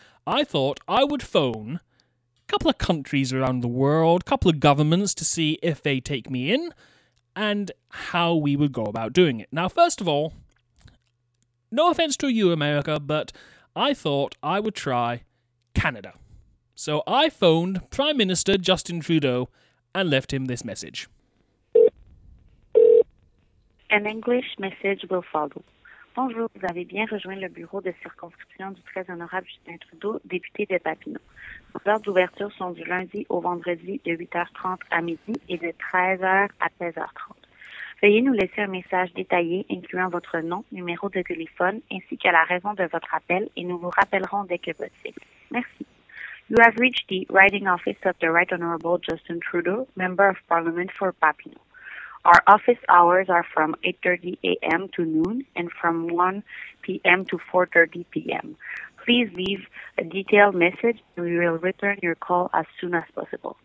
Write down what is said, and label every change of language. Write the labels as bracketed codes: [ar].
[en] I thought I would phone a couple of countries around the world, a couple of governments to see if they take me in and how we would go about doing it. Now, first of all, no offense to you, America, but I thought I would try Canada. So I phoned Prime Minister Justin Trudeau and left him this message. An English message will follow. [fr] Bonjour, vous avez bien rejoint le bureau de circonscription du très honorable Justin Trudeau, député de Papineau. Vos heures d'ouverture sont du lundi au vendredi de 8h30 à midi et de 13h à 16h30. Veuillez nous laisser un message détaillé incluant votre nom, numéro de téléphone ainsi que la raison de votre appel et nous vous rappellerons dès que possible. Merci. [en] You have reached the writing office of the Right Honorable Justin Trudeau, Member of Parliament for Papineau. Our office hours are from 8:30 a.m. to noon and from 1 p.m. to 4:30 p.m. Please leave a detailed message and we will return your call as soon as possible.